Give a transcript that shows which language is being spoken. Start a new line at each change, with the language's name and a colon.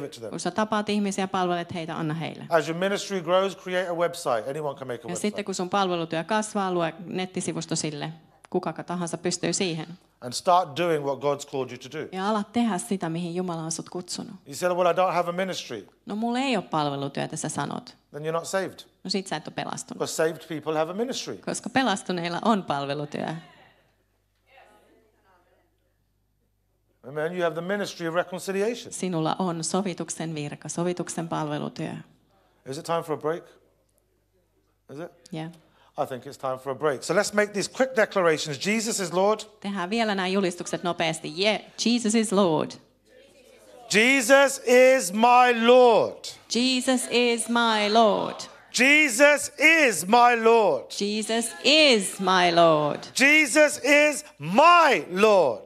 Finnish: Kun sä tapaat ihmisiä, palvelet heitä, anna heille.
English: As your ministry grows, create a website. Anyone can make a website.
Finnish: Ja sitten kun sun palvelutyö kasvaa, lue nettisivusto sille. kuka tahansa pystyy siihen.
English: And start doing what God's called you to do.
Finnish: Ja ala tehdä sitä, mihin Jumala on sut kutsunut.
English: You said, well, I don't have a ministry.
Finnish: No mulla ei ole palvelutyötä, sä sanot.
English: Then you're not saved.
Finnish: No sit sä et ole pelastunut.
English: Because saved people have a ministry.
Finnish: Koska pelastuneilla on palvelutyö.
English: Amen. You have the ministry of reconciliation.
Finnish: Sinulla on sovituksen virka, sovituksen palvelutyö.
English: Is it time for a break? Is it? Yeah. I think it's time for a break. So let's make these quick declarations. Jesus is Lord.
Finnish: Tehdään vielä nämä julistukset nopeasti.
English: Yeah. Jesus is Lord. Jesus is my Lord. Jesus is my Lord. Jesus is my Lord. Jesus is my Lord. Jesus is my Lord.